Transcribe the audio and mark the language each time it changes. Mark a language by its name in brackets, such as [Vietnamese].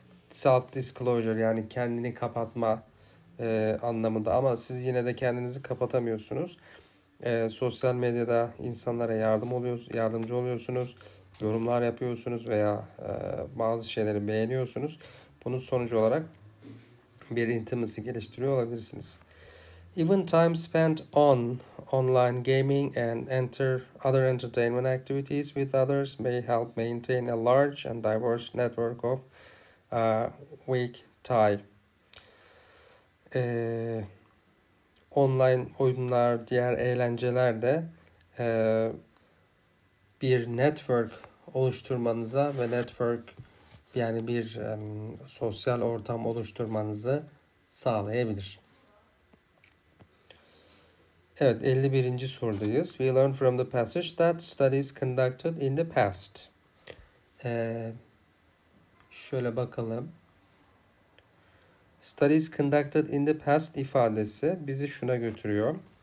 [Turkish] Self-disclosure yani kendini kapatma anlamında ama siz yine de kendinizi kapatamıyorsunuz. Sosyal medyada insanlara yardımcı oluyorsunuz, yorumlar yapıyorsunuz veya bazı şeyleri beğeniyorsunuz. Bunun sonucu olarak bir intimacy geliştiriyor olabilirsiniz. [English] Even time spent on online gaming and other entertainment activities with others may help maintain a large and diverse network of weak tie. [Turkish] Online oyunlar, diğer eğlenceler de bir network oluşturmanıza ve network, yani bir sosyal ortam oluşturmanızı sağlayabilir. Evet, 51. sorudayız. [English] We learn from the passage that studies conducted in the past. [Turkish] Şöyle bakalım. [English] Studies conducted in the past [Turkish] ifadesi bizi şuna götürüyor.